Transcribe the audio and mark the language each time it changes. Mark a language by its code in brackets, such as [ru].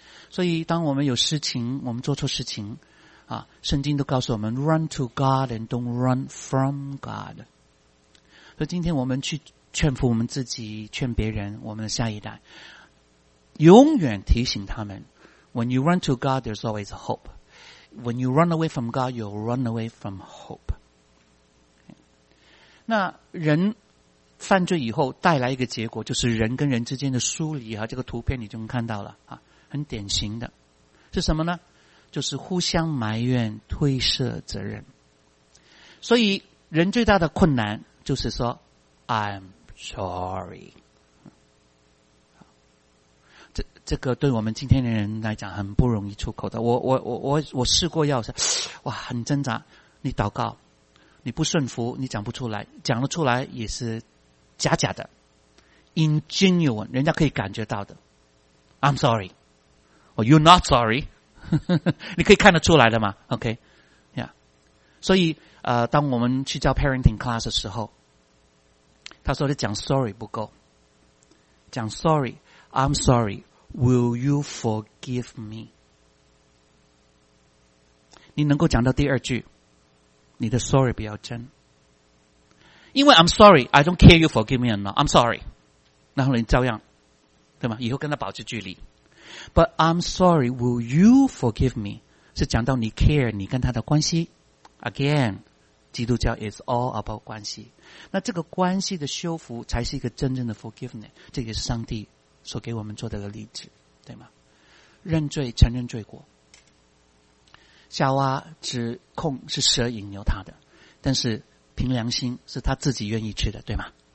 [zh] 所以当我们有事情，我们做错事情啊，圣经都告诉我们 [en] run to God and don't run from God。 [zh] 所以今天我们去劝服我们自己，劝别人，我们的下一代，永远提醒他们 [en] When you run to God, there's always hope. When you run away from God, you'll run away from hope. [zh] 那人犯罪以后带来一个结果，就是人跟人之间的疏离啊。这个图片你就能看到了啊，很典型的是什么呢？就是互相埋怨，推卸责任。所以人最大的困难就是说 [en] I'm sorry。 [zh] 这个对我们今天的人来讲很不容易出口的。我试过要说，哇，很挣扎。你祷告，你不顺服，你讲不出来，讲了出来也是假假的 ingenuine， 人家可以感觉到的 [en] I'm sorry、oh, You're not sorry。 [zh] 你可以看得出来的嘛。OK、yeah. 所以当我们去教 parenting class 的时候，他说的讲 sorry 不够，讲 sorry， [en] I'm sorry， Will you forgive me？ [zh] 你能够讲到第二句，你的 sorry 比较真。 [en] 因为 I'm sorry, I don't care you forgive me or not, I'm sorry. [zh] 然后你照样，对吗？以后跟他保持距离。 [en] But I'm sorry, will you forgive me? [zh] 是讲到你 care 你跟他的关系。 [en] Again, 基督教 is all about 关系。 [zh] 那这个关系的修复才是一个真正的 forgiveness, 这也是上帝所给我们做的一个例子，对吗？认罪，承认罪过。夏娃指控是蛇引诱他的，但是凭良心是他自己愿意吃的，对吗？